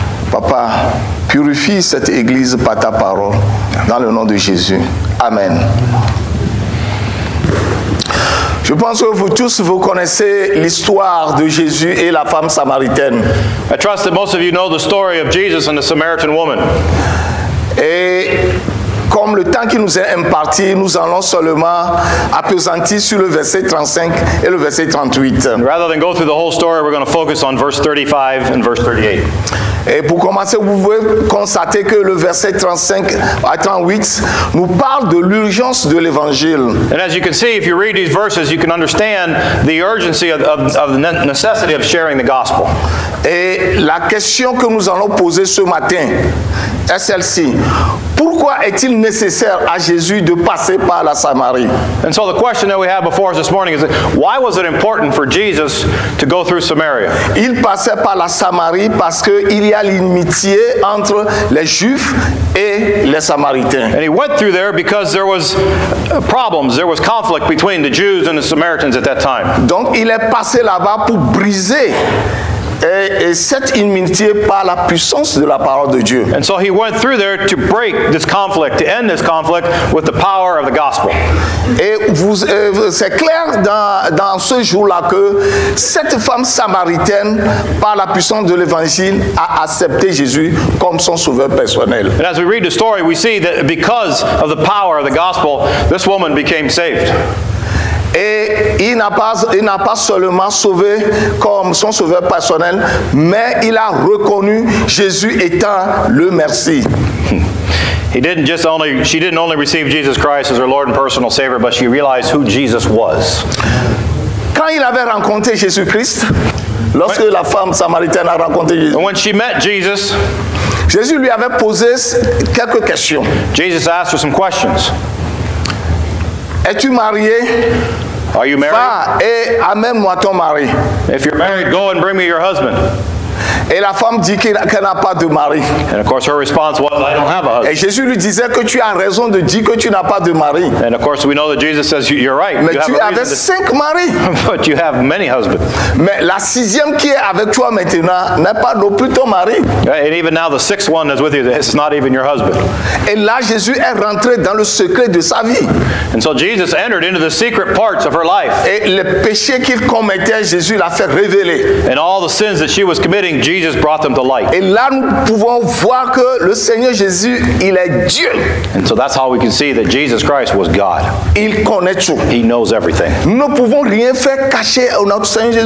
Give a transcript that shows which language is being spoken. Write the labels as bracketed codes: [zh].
[fr] Papa, purifie cette église par ta parole, dans le nom de Jésus. Amen. Je pense que vous tous, vous connaissez l'histoire de Jésus et la femme samaritaine. [en] I trust that most of you know the story of Jesus and the Samaritan woman. [fr] Et comme le temps qui nous est imparti, nous allons seulement appesantir sur le verset 35 et le verset 38. [en] Rather than go through the whole story, we're going to focus on verse 35 and verse 38. [fr] Et pour commencer, vous pouvez constater que le verset 35 à 38 nous parle de l'urgence de l'évangile. [en] And as you can see, if you read these verses, you can understand the urgency of the necessity of sharing the gospel. [fr] Et la question que nous allons poser ce matin est celle-ci. Pourquoi est-il nécessaire à Jésus de passer par la Samarie? [en] And so the question that we have before us this morning is, why was it important for Jesus to go through Samaria? [fr] Il passait par la Samarie parce qu'il y a l'inimitié entre les Juifs et les Samaritains. [en] And he went through there because there was problems, there was conflict between the Jews and the Samaritans at that time. [fr] Donc il est passé là-bas pour briser et cette inimitié par la puissance de la parole de Dieu. [en] And so he went through there to break this conflict, to end this conflict with the power of the gospel. [fr] Et vous, c'est clair dans ce jour-là que cette femme samaritaine, par la puissance de l'évangile, a accepté Jésus comme son sauveur personnel. [en] And as we read the story, we see that because of the power of the gospel, this woman became saved. [fr] Et il n'a pas seulement sauvé comme son sauveur personnel, mais il a reconnu Jésus étant le Messie. [en] She didn't only receive Jesus Christ as her Lord and personal Savior, but she realized who Jesus was. [fr] Quand il avait rencontré Jésus Christ, lorsque la femme samaritaine a rencontré Jésus, [en] when she met Jesus, [fr] Jésus lui avait posé quelques questions. [en] Jesus asked her some questions. [fr] Es-tu marié? [en] Are you married? [fr] Va et amène-moi ton mari. [en] If you're married, go and bring me your husband. [fr] Et la femme dit qu'elle n'a pas de mari. [en] And of course her response was, I don't have a husband. [fr] Et Jésus lui disait que tu as raison de dire que tu n'as pas de mari. [en] And of course we know that Jesus says, you're right. [fr] Mais [en] you [fr] tu avais cinq maris. [en] But you have many husbands. [fr] Mais la sixième qui est avec toi maintenant n'est pas non plus ton mari. [en] And even now the sixth one that's with you, it's not even your husband. [fr] Et là Jésus est rentré dans le secret de sa vie. [en] And so Jesus entered into the secret parts of her life. [fr] Et le péché qu'il commettait, Jésus l'a fait révéler. [en] And all the sins that she was committing, Jesus brought them to light. [fr] Et là, nous pouvons voir que le Seigneur Jésus, il est Dieu. [en] And so that's how we can see that Jesus Christ was God. [fr] Il connaît tout. [en] He knows everything. [fr] Nous ne pouvons rien faire cacher au notre Seigneur Jésus.